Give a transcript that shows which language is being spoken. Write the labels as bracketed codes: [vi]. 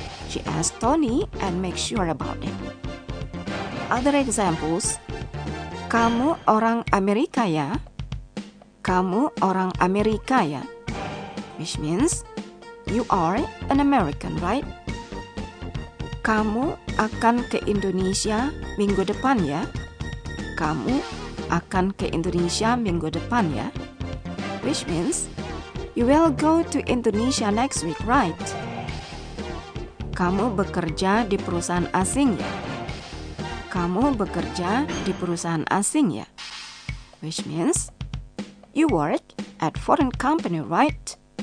[en] She asks Tony and makes sure about it. Other examples, [id] kamu orang Amerika ya? Kamu orang Amerika ya? [en] Which means, you are an American, right? [id] Kamu akan ke Indonesia minggu depan ya? Kamu akan ke Indonesia minggu depan ya? [en] Which means, you will go to Indonesia next week, right? [id] Kamu bekerja di perusahaan asing ya? Kamu bekerja di perusahaan asing ya? [en] Which means, you work at foreign company, right?